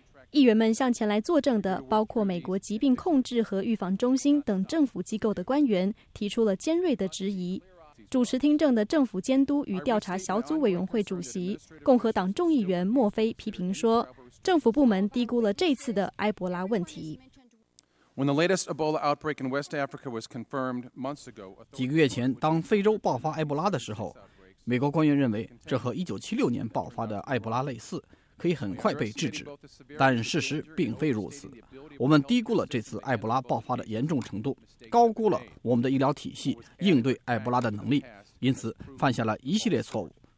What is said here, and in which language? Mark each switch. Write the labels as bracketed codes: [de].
[zh] 议员们向前来作证的包括美国疾病控制和预防中心等政府机构的官员，提出了尖锐的质疑。主持听证的政府监督与调查小组委员会主席共和党众议员莫菲批评说，政府部门低估了这次的埃博拉问题。 [en] When the latest Ebola outbreak in West Africa was confirmed months ago, [zh] 几个月前，当非洲爆发埃博拉的时候，美国官员认为这和1976年爆发的埃博拉类似，可以很快被制止。但事实并非如此，我们低估了这次埃博拉爆发的严重程度，高估了我们的医疗体系应对埃博拉的能力，因此犯下了一系列错误。